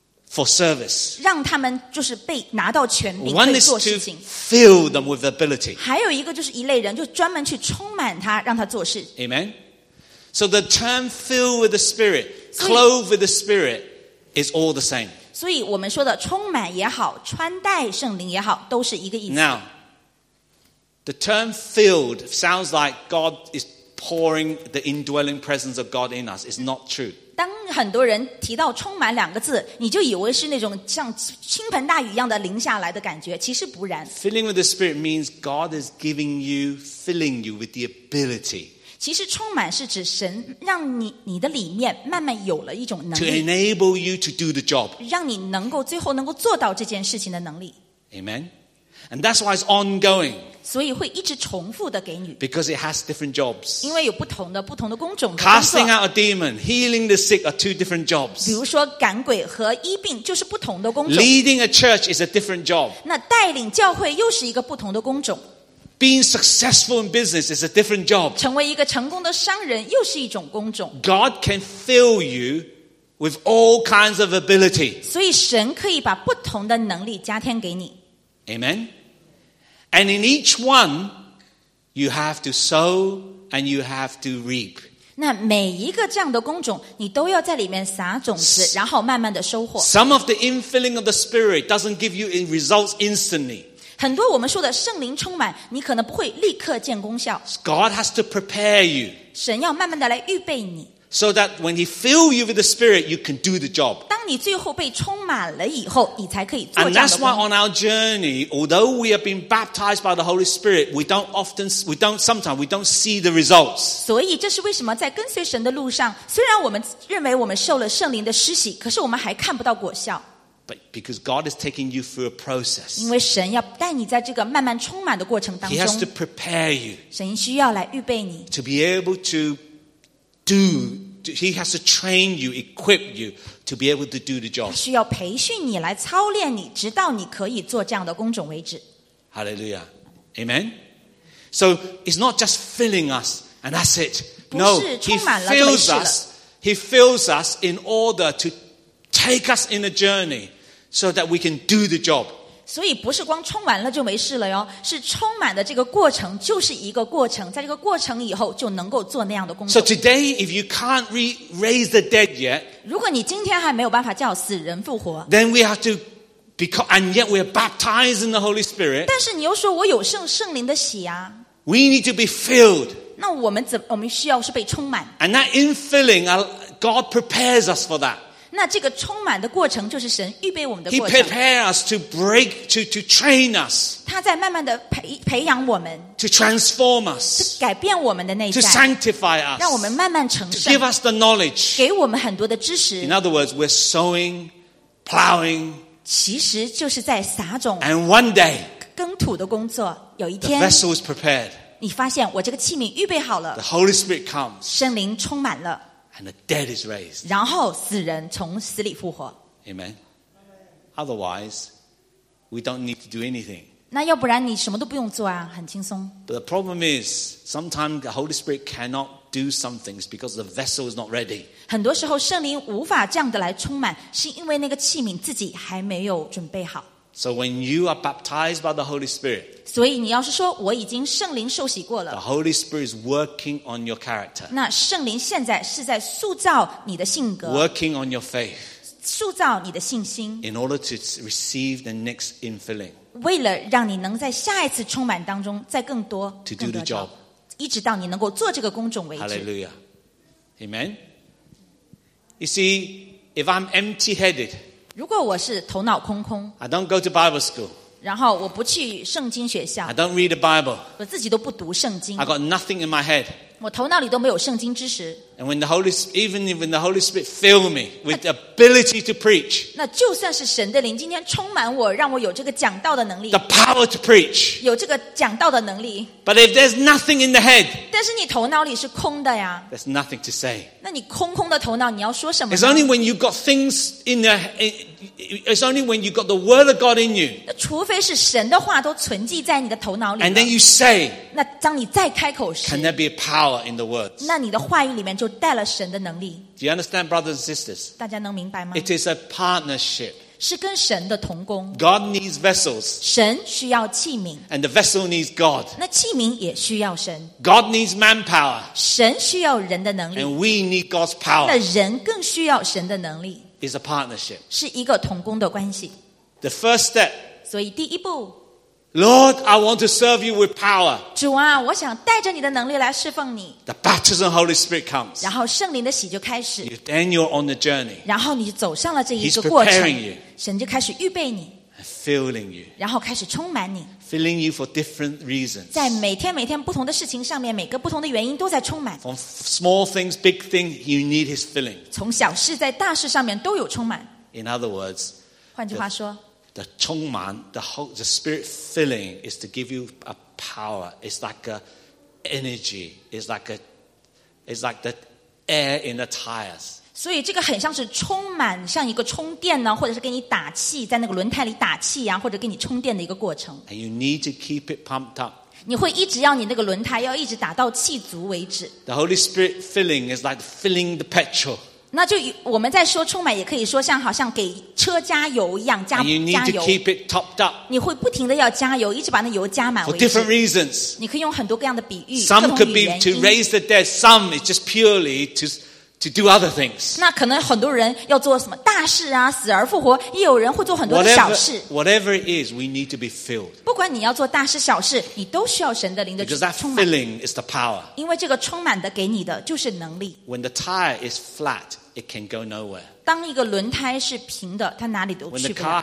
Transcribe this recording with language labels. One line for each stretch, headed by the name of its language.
English: for service.
Chinese: 让他们就是被拿到权柄
English: ，One is to fill them with ability.
Chinese: 还有一个就是一类人，就专门去充满他，让他做事。
English: Amen. So the term filled with the Spirit, clothed with the Spirit, is all the same.
Chinese: 所以我们说的充满也好，穿戴圣灵也好，都是一个意思。
English: Now, the term filled sounds like God is pouring the indwelling presence of God in us. It's not true.
Chinese: 当很多人提到充满两个字，你就以为是那种像倾盆大雨一样的淋下来的感觉，其实不然。
English: Filling with the Spirit means God is giving you, filling you with the ability.
Chinese: 其实充满是指神让你的里面慢慢有了一种能力。
English: To enable you to do the job.
Chinese: 让你能够最后能够做到这件事情的能力。
English: Amen. And that's why it's ongoing.
Chinese: 所以会一直重复的给你
English: Because it has different jobs.
Chinese: 因为有不同的工种的工作
English: Casting out a demon, healing the sick are two different jobs.
Chinese: 比如说赶鬼和医病就是不同的工种
English: Leading a church is a different job.
Chinese: 那带领教会又是一个不同的工种
English: Being successful in business is a different job.
Chinese: 成为一个成功的商人又是一种工种
English: God can fill you with all kinds of ability.
Chinese: 所以神可以把不同的能力加添给你
English: Amen. And in each one, you have to sow and you have to reap.
Chinese: 那每一个这样的工种，你都要在里面撒种子，然后慢慢的收获。
English: Some of the infilling of the Spirit doesn't give you results instantly.
Chinese: 很多我们说的圣灵充满，你可能不会立刻见功效。
English: God has to prepare you.
Chinese: 神要慢慢的来预备你。
English: So that when He fill you with the Spirit, you can do the job.
Chinese: 当你最后被充满了以后，你才可以做这样的工作。
English: And that's why on our journey, although we have been baptized by the Holy Spirit, we don't see the results.
Chinese: 所以这是为什么在跟随神的路上，虽然我们认为我们受了圣灵的施洗，可是我们还看不到果效。
English: But because God is taking you through a process.
Chinese: 因为神要带你在这个慢慢充满的过程当中。
English: He has to prepare you.
Chinese: 神需要来预备你。
English: To be able to. Do, he has to train you, equip you to be able to do the job.
Chinese: 需要培训你来操练你，直到你可以做这样的工种为止。
English: Hallelujah, Amen. So it's not just filling us and that's it.
Chinese: 不是充满了就没事了。
English: No, he fills us in order to take us in a journey so that we can do the job.
Chinese: 所以不是光充满了就没事了哟，是充满的这个过程就是一个过程，在这个过程以后就能够做那样的工作。
English: So today, if you can't raise the dead yet,
Chinese: 如果你今天还没有办法叫死人复活
English: then we have to become, and yet we are baptized in the Holy Spirit.
Chinese: 但是你又说我有圣灵的洗啊。
English: We need to be filled.
Chinese: 那我们需要是被充满。
English: And that infilling, God prepares us for that.
Chinese: 那这个充满的过程就是神预备我们的过程。
English: He prepares us to break, to train us.
Chinese: 他在慢慢的培养我们。
English: To transform us.
Chinese: 改变我们的内在。
English: To sanctify us.
Chinese: 让我们慢慢成圣。
English: To give us the knowledge.
Chinese: 给我们很多的知识。
English: In other words, we're sowing, plowing.
Chinese: 其实就是在撒种。
English: And one day,
Chinese: 耕土的工作，有一天
English: the vessel is prepared.
Chinese: 你发现我这个器皿预备好了。
English: The Holy Spirit comes.
Chinese: 圣灵充满了。
English: And the dead is raised.
Chinese: 然后死人从死里复活。
English: Amen. Otherwise, we don't need to do anything.
Chinese: 那要不然你什么都不用做啊，很轻松。
English: But the problem is, sometimes the Holy Spirit cannot do some things because the vessel is not ready.
Chinese: 很多时候圣灵无法这样的来充满，是因为那个器皿自己还没有准备好。
English: So when you are baptized by the Holy Spirit,
Chinese: 所以你要是说我已经圣灵受洗过了
English: the Holy Spirit is working on your character.
Chinese: 那圣灵现在是在塑造你的性格
English: working on your faith.
Chinese: 塑造你的信心
English: in order to receive the next infilling.
Chinese: 为了让你能在下一次充满当中再更多
English: to do the job.
Chinese: 一直到你能够做这个工种为止
English: Hallelujah. Amen. You see, if I'm empty-headed,
Chinese: 如果我是头脑空空
English: I don't go to Bible school.
Chinese: 然后我不去圣经学校
English: I don't read the Bible.
Chinese: 我自己都不读圣经
English: I got nothing in my head.
Chinese: 我头脑里都没有圣经知识
English: And when the Holy Spirit, even if the Holy Spirit filled me with the ability to preach,
Chinese: 那就算是神的灵今天充满我，让我有这个讲道的能力
English: The power to preach.
Chinese: 有这个讲道的能力
English: But if there's nothing in the head,
Chinese: 但是你头脑里是空的呀
English: There's nothing to say.
Chinese: 那你空空的头脑，你要说什么
English: ？It's only when you got things in the, it's only when you got the word of God in you.
Chinese: 那除非是神的话都存记在你的头脑里。
English: And then you say.
Chinese: 那当你再开口时
English: ，Can there be power in the words?
Chinese: 那你的话语里面就带了神的能力。
English: Do you understand, brothers and sisters?
Chinese: 大家能明白吗
English: ？It is a partnership. God needs vessels.
Chinese: 神需要器皿。
English: And the vessel needs God.
Chinese: 那器皿也需要神。
English: God needs manpower.
Chinese: 神需要人的能力。
English: And we need God's power.
Chinese: 那人更需要神的能力。
English: It's a partnership.
Chinese: 是一个同工的关系。
English: The first step.
Chinese: 所以第一步。
English: Lord, I want to serve you with power.
Chinese: 主啊，我想带着你的能力来侍奉你。
English: The baptism of the Holy Spirit comes.
Chinese: 然后圣灵的洗就开始。
English: Then you're on the journey.
Chinese: 然后你走上了这一个过程。
English: He's preparing you.
Chinese: 神就开始预备你
English: filling you,
Chinese: 然后开始充满你
English: filling you for different reasons.
Chinese: 在每天每天不同的事情上面每个不同的原因都在充满
English: from small things, big things, you need his filling.
Chinese: 从小事在大事上面都有充满
English: In other words,
Chinese: 换句话说
English: the
Chinese: 充满
English: the spirit filling is to give you a power. It's like an energy. It's like the air in the tires.
Chinese: 所以这个很像是充满像一个充电呢或者是给你打气在那个轮胎里打气啊或者给你充电的一个过程。
English: And you need to keep it pumped up.
Chinese: 你会一直要你那个轮胎要一直打到气足为止。
English: The Holy Spirit filling is like filling the petrol.
Chinese: 那就我们在说充满也可以说像好像给车加油一样加油。
English: And you need to keep it topped up.
Chinese: 你会不停的要加油一直把那油加满为止。
English: For different reasons.
Chinese: 你可以用很多各样的比喻。
English: Some could be to raise the dead, some is just purely to do other things.
Chinese: 那可能很多人要做什么大事啊死而复活也有人会做很多的小事
English: whatever it is we need to be filled
Chinese: 不管你要做大事小事你都需要神的灵的充满
English: because that filling is the power
Chinese: 因为这个充满的给你的就是能力
English: when the tire is flat it can go nowhere
Chinese: 当一个轮胎是平的它哪里都去不了